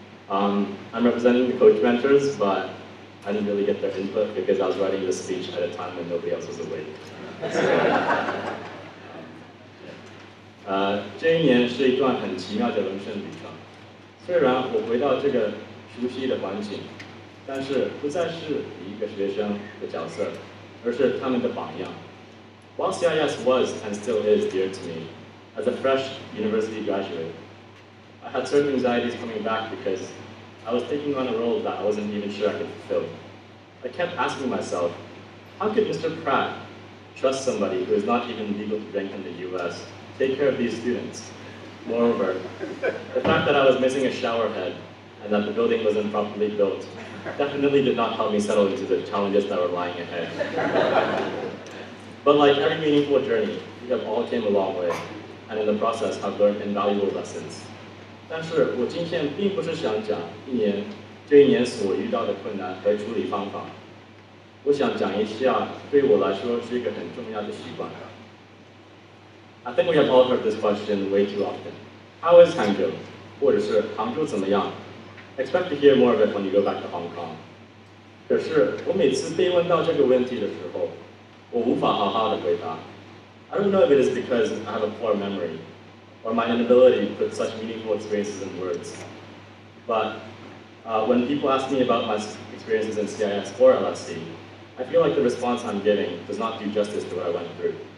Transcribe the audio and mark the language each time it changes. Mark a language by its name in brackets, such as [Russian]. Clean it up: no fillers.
[English] I'm representing the coach mentors, but I didn't really get their input because I was writing the speech at a time when nobody else was awake. [Chinese] 这一年是一段很奇妙的人生旅程。虽然我回到这个熟悉的环境，但是不再是一个学生的角色，而是他们的榜样。 [English] While CIS was and still is dear to me, as a fresh university graduate, I had certain anxieties coming back because I was taking on a role that I wasn't even sure I could fulfill. I kept asking myself, how could Mr. Pratt trust somebody who is not even legal to drink in the US to take care of these students? Moreover, the fact that I was missing a shower head and that the building wasn't properly built definitely did not help me settle into the challenges that were lying ahead. But like every meaningful journey, we have all came a long way, and in the process have learned invaluable lessons. [Chinese] 但是我今天并不是想讲一年所遇到的困难和处理方法。我想讲一下对我来说是一个很重要的习惯。 [English] I think we have all heard this question way too often. How is Hangzhou? [Chinese] 或者是杭州怎么样? [English] Expect to hear more of it when you go back to Hong Kong. [Chinese] 可是我每次被问到这个问题的时候，我无法好好的回答。 [English] I don't know if it is because I have a poor memory, or my inability to put such meaningful experiences in words. But when people ask me about my experiences in CIS or LSC, I feel like the response I'm giving does not do justice to what I went through.